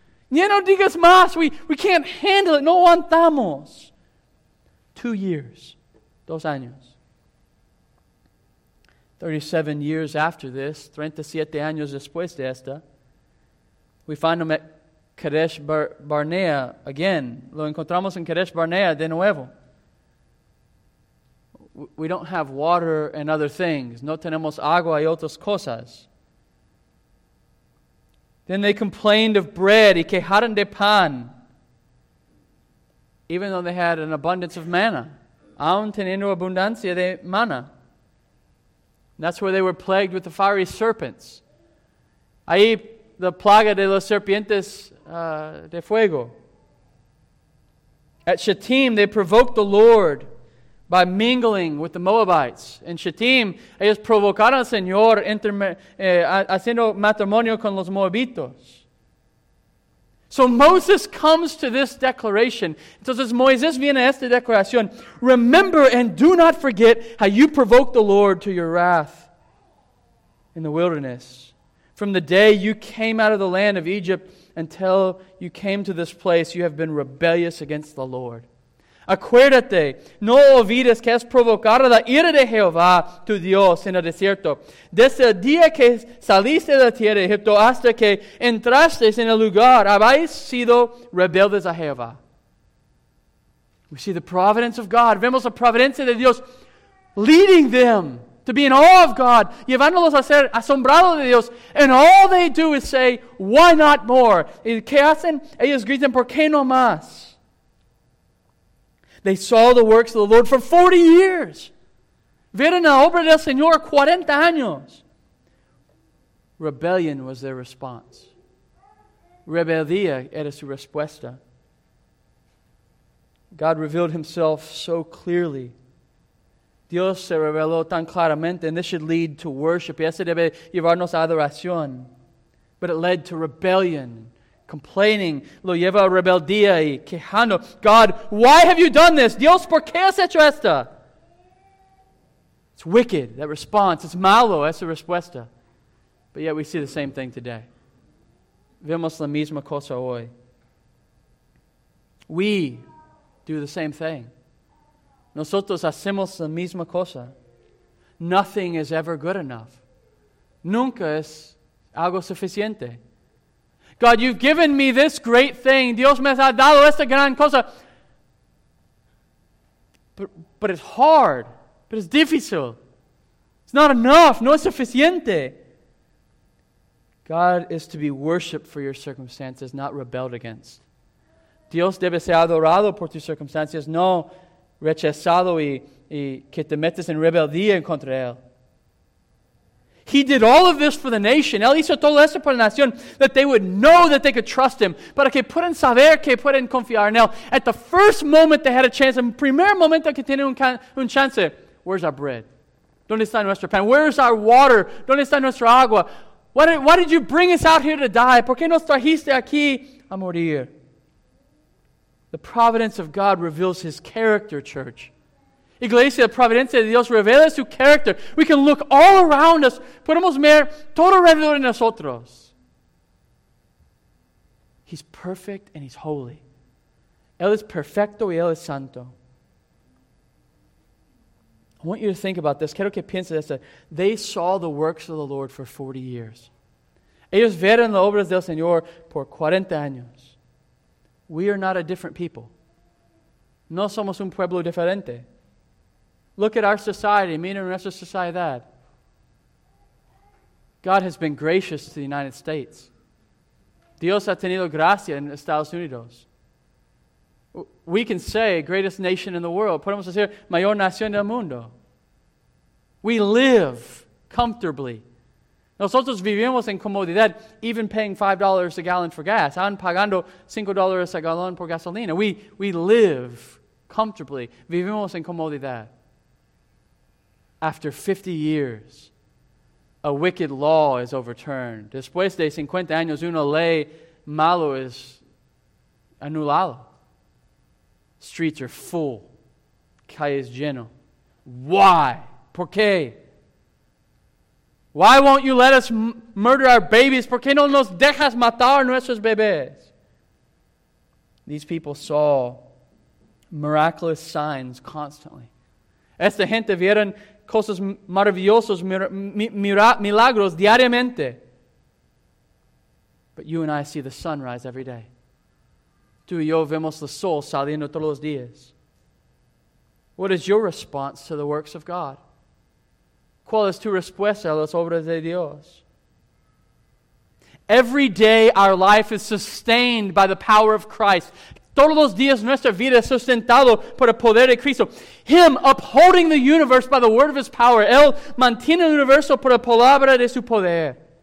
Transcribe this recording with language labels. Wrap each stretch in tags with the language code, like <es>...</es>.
<es>Ya no digas más,</es> <en>we can't handle it,</en> <es>no aguantamos.</es> <en>2 years.</en> <es>2 años.</es> <en>37 years after this,</en> <es>37 años después de esta,</es> <en>we find them at Kadesh Barnea again.</en> <es>Lo encontramos en Kadesh Barnea de nuevo.</es> <en>We don't have water and other things.</en> <es>No tenemos agua y otras cosas.</es> <en>Then they complained of bread</en> <es>y quejaron de pan,</es> <en>even though they had an abundance of manna.</en> <es>Aún teniendo abundancia de maná.</es> <en>That's where they were plagued with the fiery serpents.</en> <es>Ahí, la plaga de los serpientes de fuego.</es> <en>At Shittim, they provoked the Lord by mingling with the Moabites.</en> <es>En Shittim, ellos provocaron al Señor haciendo matrimonio con los Moabitos.</es> <en>So Moses comes to this declaration.</en> <es>Entonces Moisés viene a esta declaración.</es> <en>Remember and do not forget how you provoked the Lord to your wrath in the wilderness. From the day you came out of the land of Egypt until you came to this place, you have been rebellious against the Lord.</en> <es>Acuérdate, no olvides que has provocado la ira de Jehová, tu Dios, en el desierto. Desde el día que saliste de la tierra de Egipto hasta que entraste en el lugar, habéis sido rebeldes a Jehová.</es> <en>We see the providence of God.</en> <es>Vemos la providencia de Dios</es> <en>leading them to to be in awe of God,</en> <es>llevándolos a ser asombrados de Dios.</es> <en>And all they do is say, why not more?</en> <es>¿Y qué hacen? Ellos gritan, ¿por qué no más?</es> <en>They saw the works of the Lord for 40 years.</en> <es>Vieron la obra del Señor 40 años.</es> <en>Rebellion was their response.</en> <es>Rebeldía era su respuesta.</es> <en>God revealed himself so clearly.</en> <es>Dios se reveló tan claramente,</es> <en>and this should lead to worship.</en> <es>Y ese debe llevarnos a adoración.</es> <en>But it led to rebellion, complaining.</en> <es>Lo lleva a rebeldía y quejando.</es> <en>God, why have you done this?</en> <es>Dios, ¿por qué has hecho esto?</es> <en>It's wicked, that response. It's malo,</en> <es>esa respuesta.</es> <en>But yet we see the same thing today.</en> <es>Vemos la misma cosa hoy.</es> <en>We do the same thing.</en> <es>Nosotros hacemos la misma cosa.</es> <en>Nothing is ever good enough.</en> <es>Nunca es algo suficiente.</es> <en>God, you've given me this great thing.</en> <es>Dios me ha dado esta gran cosa.</es> <en>But it's hard. But it's difícil. It's not enough.</en> <es>No es suficiente.</es> <en>God is to be worshipped for your circumstances, not rebelled against.</en> <es>Dios debe ser adorado por tus circunstancias, no rechazado y que te metes en rebeldía en contra de él.</es> <en>He did all of this for the nation.</en> <es>Él hizo todo esto para la nación,</es> <en>that they would know that they could trust him,</en> <es>para que puedan saber que pueden confiar en él.</es> <en>At the first moment they had a chance,</en> <es>en el primer momento que tienen un chance,</es> <en>where's our bread?</en> <es>¿Dónde está nuestro pan?</es> <en>Where's our water?</en> <es>¿Dónde está nuestra agua?</es> <en>Why did you bring us out here to die?</en> <es>¿Por qué nos trajiste aquí a morir?</es> <en>The providence of God reveals his character, church.</en> <es>Iglesia, la providencia de Dios revela su character.</es> <en>We can look all around us.</en> <es>Podemos ver todo alrededor de nosotros.</es> <en>He's perfect and he's holy.</en> <es>Él es perfecto y él es santo.</es> <en>I want you to think about this.</en> <es>Quiero que pienses esto.</es> <en>They saw the works of the Lord for 40 years.</en> <es>Ellos vieron las obras del Señor por 40 años.</es> <en>We are not a different people.</en> <es>No somos un pueblo diferente.</es> <en>Look at our society,</en> <es>mira nuestra sociedad.</es> <en>God has been gracious to the United States.</en> <es>Dios ha tenido gracia en Estados Unidos.</es> <en>We can say, greatest nation in the world.</en> <es>Podemos decir, mayor nación del mundo.</es> <en>We live comfortably.</en> <es>Nosotros vivimos en comodidad,</es> <en>even paying $5 a gallon for gas,</en> <es>aun pagando $5 a gallon por gasolina.</es> <en>We live comfortably.</en> <es>Vivimos en comodidad.</es> <en>After 50 years, a wicked law is overturned.</en> <es>Después de 50 años, una ley malo es anulado.</es> <en>Streets are full.</en> <es>Calles lleno.</es> <en>Why?</en> <es>¿Por qué?</es> <en>Why won't you let us murder our babies?</en> <es>¿Por qué no nos dejas matar nuestros bebés?</es> <en>These people saw miraculous signs constantly.</en> <es>Esta gente vieron cosas maravillosas, milagros diariamente.</es> <en>But you and I see the sunrise every day.</en> <es>Tú y yo vemos el sol saliendo todos los días.</es> <en>What is your response to the works of God?</en> <es>¿Cuál es tu respuesta a las obras de Dios?</es> <en>Every day our life is sustained by the power of Christ.</en> <es>Todos los días nuestra vida es sustentado por el poder de Cristo.</es> <en>Him upholding the universe by the word of his power.</en> <es>Él mantiene el universo por la palabra de su poder.</es>